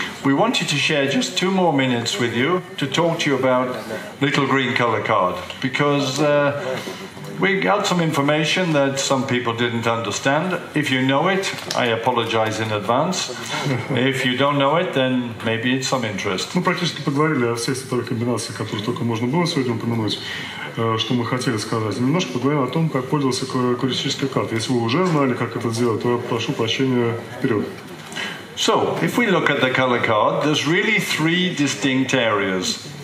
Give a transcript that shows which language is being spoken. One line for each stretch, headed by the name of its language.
English: We wanted to share just 2 more minutes with you to talk to you about Little Green color card, because we got some information that some people didn't understand. If you know it, I apologize in advance. If you don't know it, then maybe it's some interest.
Russian: Мы практически поговорили о всех составных комбинациях, которые только можно было сегодня упомянуть, что мы хотели сказать. Немножко поговорим о том, как пользоваться колористической картой. Если вы уже знали, как это сделать, то я прошу прощения вперед.
English: So, if we look at the color card, there's really 3 distinct areas.